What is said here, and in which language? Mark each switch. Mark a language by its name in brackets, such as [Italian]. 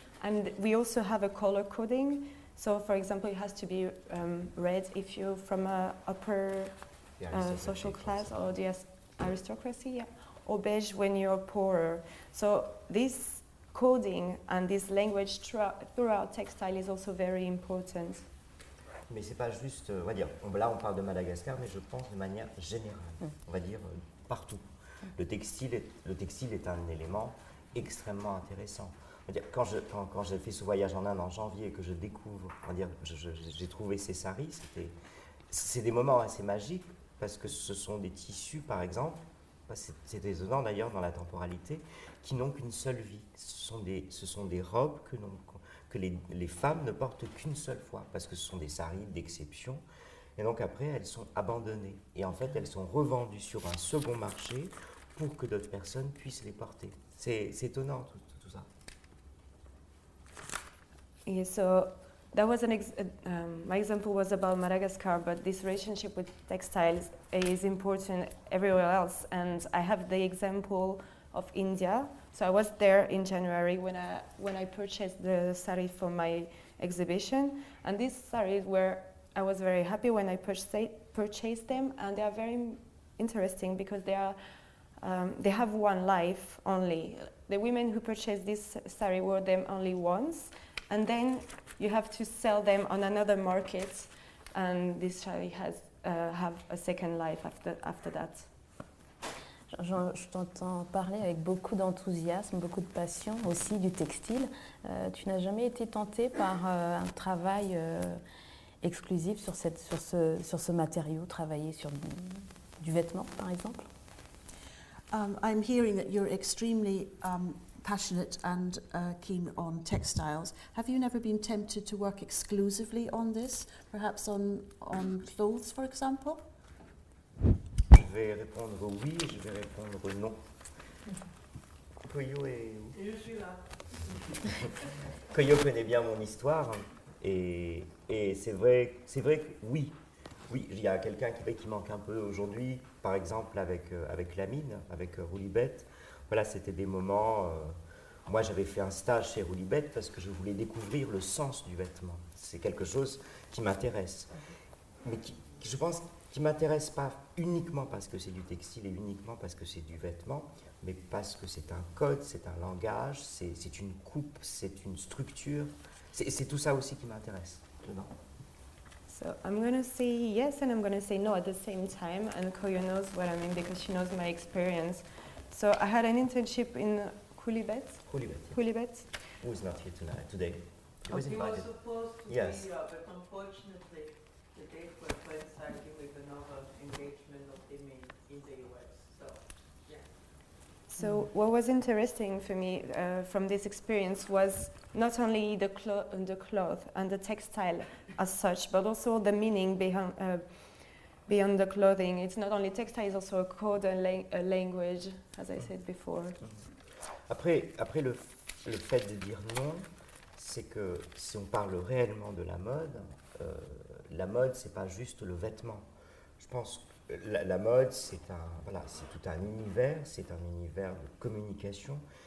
[English] And we also have a color coding. So for example, it has to be red if you're from a upper social class or the aristocracy, or beige when you're poorer. So this coding and this language throughout textile is also very important. [French] Mais c'est pas juste, on va dire, là on parle de Madagascar, mais je pense de manière générale, on va dire partout. Le textile est un élément extrêmement intéressant. On va dire, quand j'ai fait ce voyage en Inde en janvier et que je découvre, on va dire, j'ai trouvé ces saris, c'est des moments assez magiques parce que ce sont des tissus, par exemple. C'est étonnant d'ailleurs dans la temporalité, qui n'ont qu'une seule vie. Ce sont des robes que les femmes ne portent qu'une seule fois, parce que ce sont des saris d'exception. Et donc après, elles sont abandonnées. Et en fait, elles sont revendues sur un second marché pour que d'autres personnes puissent les porter. C'est étonnant tout ça. [English] Yeah, so that was my example was about Madagascar, but this relationship with textiles is important everywhere else. And I have the example of India. So I was there in January when I purchased the sari for my exhibition. And these saris were, I was very happy when I purchased them. And they are very interesting because they have one life only. The women who purchased this sari wore them only once. And then you have to sell them on another market, and this sari have a second life after that. [French] Je t'entends parler avec beaucoup d'enthousiasme, beaucoup de passion aussi du textile. Tu n'as jamais été tentée par un travail exclusif sur ce matériau, travailler sur du vêtement, par exemple? [English] I'm hearing that you're extremely passionate and keen on textiles. Have you never been tempted to work exclusively on this, perhaps on clothes, for example? [French] Je vais répondre oui, je vais répondre non. Koyo est où? Je suis là. Koyo connaît bien mon histoire et c'est vrai que oui. Oui, il y a quelqu'un qui manque un peu aujourd'hui, par exemple avec Lamine, avec Roulibet. Voilà, c'était des moments. Moi, j'avais fait un stage chez Roulibet parce que je voulais découvrir le sens du vêtement. C'est quelque chose qui m'intéresse. Mais qui m'intéresse pas uniquement parce que c'est du textile et uniquement parce que c'est du vêtement, mais parce que c'est un code, c'est un langage, c'est une coupe, c'est une structure. C'est tout ça aussi qui m'intéresse dedans. [English] So I'm going to say yes and I'm going to say no at the same time. And Koyo knows what I mean because she knows my experience. So I had an internship in Koulibet. Koulibet. Who is not here tonight, today? He was invited. He was supposed to be here, but unfortunately, the date was coinciding with another engagement of him in the US. So, yeah. So what was interesting for me from this experience was not only the cloth and the textile as such, but also the meaning beyond the clothing. It's not only textile, it's also a code and a language, as I said before. [French] Après le fait de dire non, c'est que si on parle réellement de la mode, c'est pas juste le vêtement. Je pense que la mode, c'est tout un univers, c'est un univers de communication,